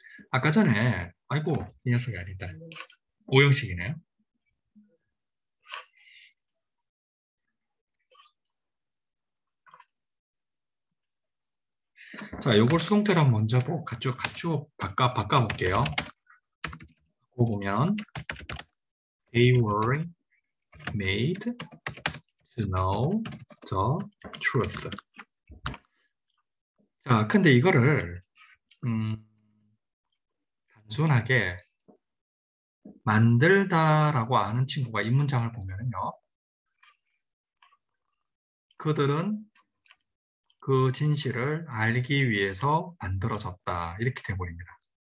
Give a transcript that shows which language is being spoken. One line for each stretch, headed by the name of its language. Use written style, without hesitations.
Korean: 아까 전에 아이고 이 녀석이 아니다. 5형식이네요. 자, 요걸 수동태로 먼저 보고 갖추고 바꿔 볼게요. 보고 보면
English: they were made to know the truth.
Korean: 자, 근데 이거를 단순하게 만들다라고 아는 친구가 이 문장을 보면요. 그들은 그 진실을 알기 위해서 만들어졌다. 이렇게 되어버립니다.